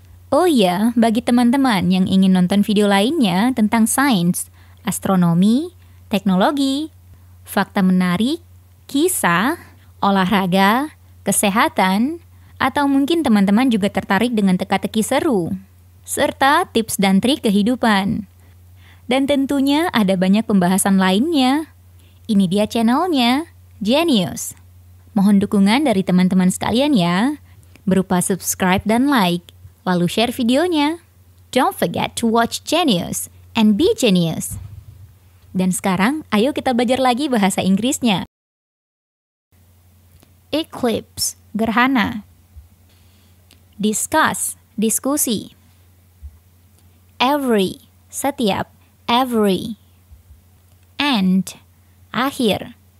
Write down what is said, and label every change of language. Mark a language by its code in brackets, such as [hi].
[id] Oh iya, bagi teman-teman yang ingin nonton video lainnya tentang sains, astronomi, teknologi, fakta menarik, kisah, olahraga, kesehatan, atau mungkin teman-teman juga tertarik dengan teka-teki seru, serta tips dan trik kehidupan. Dan tentunya ada banyak pembahasan lainnya. Ini dia channelnya, Genius. Mohon dukungan dari teman-teman sekalian ya, berupa subscribe dan like, lalu share videonya. [en] Don't forget to watch Genius and be genius. [id] Dan sekarang, ayo kita belajar lagi bahasa Inggrisnya. Eclipse, gerhana. Discuss, diskusi. Every, setiap, every. End, akhir.